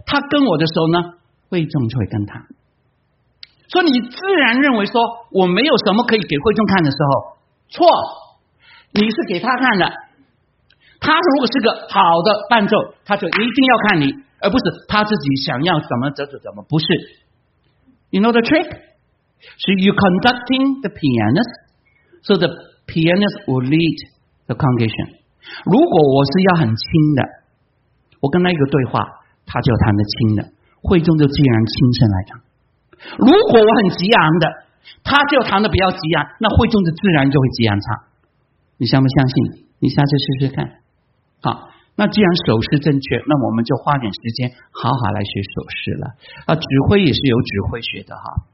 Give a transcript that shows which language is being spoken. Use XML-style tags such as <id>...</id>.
<zh>他跟我的时候呢，会众就会跟他。所以你自然认为说我没有什么可以给会众看的时候，错，你是给他看的。他如果是个好的伴奏，他就一定要看你，而不是他自己想要怎么走就怎么，不是。</zh> <en>You know the trick? So you conducting the pianist so the pianist will lead the congregation.</en> <zh>如果我是要很轻的，我跟他一个对话，他就弹得轻的，会众就自然轻声来唱。如果我很激昂的，他就弹得比较激昂，那会众的自然就会激昂唱。你相不相信？你下次试试看。好，那既然手势正确，那我们就花点时间好好来学手势了。啊，指挥也是有指挥学的哈。</zh>